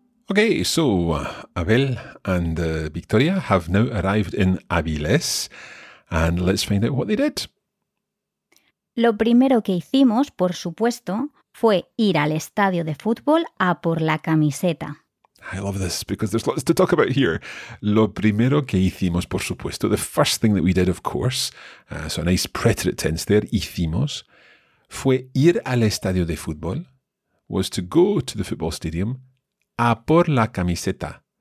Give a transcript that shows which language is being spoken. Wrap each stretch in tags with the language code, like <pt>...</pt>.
<en>Okay, so Abel and Victoria have now arrived in Avilés, and let's find out what they did.</en> <es>Lo primero que hicimos, por supuesto, fue ir al estadio de fútbol a por la camiseta.</es> <en>I love this because there's lots to talk about here.</en> <es>Lo primero que hicimos, por supuesto,</es> <en>the first thing that we did, of course, so a nice preterite tense there, hicimos,</en> <es>fue ir al estadio de fútbol,</es> <en>was to go to the football stadium,</en> <es>a por la camiseta.</es>